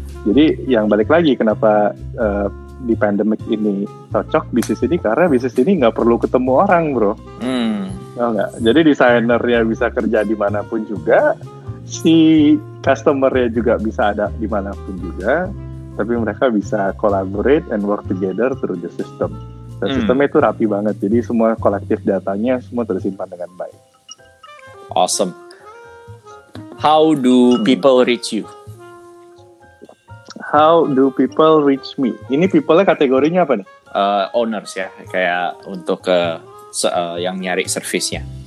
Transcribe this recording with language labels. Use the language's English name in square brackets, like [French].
[Indonesian] Jadi yang balik lagi kenapa di pandemic ini cocok bisnis ini, karena bisnis ini nggak perlu ketemu orang, bro. Enggak. Jadi desainernya bisa kerja dimanapun juga, si customernya juga bisa ada dimanapun juga. Tapi mereka bisa [English] collaborate and work together through the system. [Indonesian] Dan sistemnya itu rapi banget. Jadi semua kolektif datanya semua tersimpan dengan baik. [English] Awesome. How do people reach you? How do people reach me? [Indonesian] Ini people-nya kategorinya apa nih? Owners ya. Kayak untuk yang nyari service-nya.